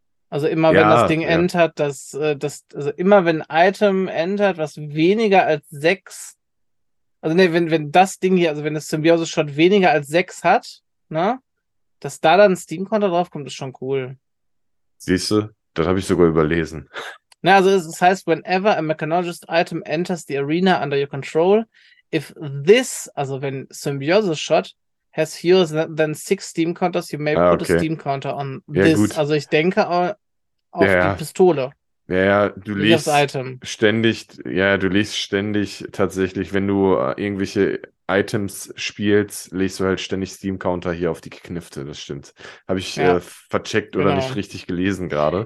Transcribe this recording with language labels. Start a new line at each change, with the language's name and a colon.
German: Also immer, wenn das Ding entert, immer wenn ein Item entert, was weniger als 6. Also ne, wenn das Ding hier, also wenn das Symbiosis Shot weniger als 6 hat, ne, dass da dann ein Steam-Counter draufkommt, ist schon cool. Siehst du, das habe ich sogar überlesen.
English: Na, also es heißt, whenever a Mechanologist Item enters the arena under your control, if this,
German: also wenn Symbiosis Shot,
English: has fewer than 6 Steam-Counters, you may put a Steam-Counter on this.
German: Gut. Also ich denke auf die Pistole. Ja, du legst ständig tatsächlich, wenn du irgendwelche Items spielst, legst du halt ständig Steam-Counter hier auf die Geknifte, das stimmt. Habe ich vercheckt oder nicht richtig gelesen gerade?